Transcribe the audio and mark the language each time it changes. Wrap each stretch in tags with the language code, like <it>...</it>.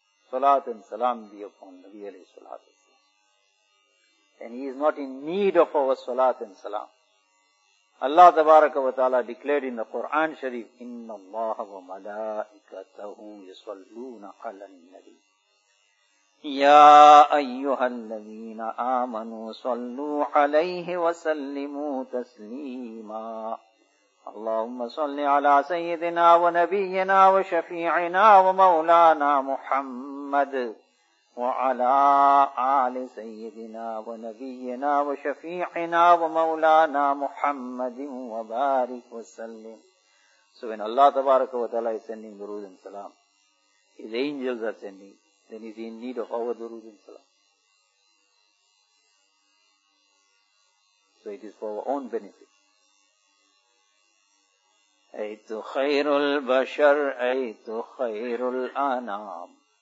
<en>Salat and salam be upon Nabi alayhi salatu wa sallam. And he is not in need of our salat and salam. Allah tabaraka wa ta'ala declared in the Quran Sharif,</en> <ar>إِنَّ اللَّهَ وَمَلَائِكَتَهُ يَصَلُّونَ عَلَى النَّبِيِّ يَا أَيُّهَا الَّذِينَ آمَنُوا صَلُّوا عَلَيْهِ وَسَلِّمُوا تَسْلِيمًا اللهم صل على سيدنا ونبينا وشفيعنا ومولانا محمد وعلى آل سيدنا ونبينا وشفيعنا ومولانا محمد وبارك وسلم.</ar> <en>So when Allah tabaraka wa ta'ala is sending durood and salam, his angels are sending, then he's in need of our durood and salam. So it is for our own benefit. Aitu khairul bashar, aitu khairul anam.</en>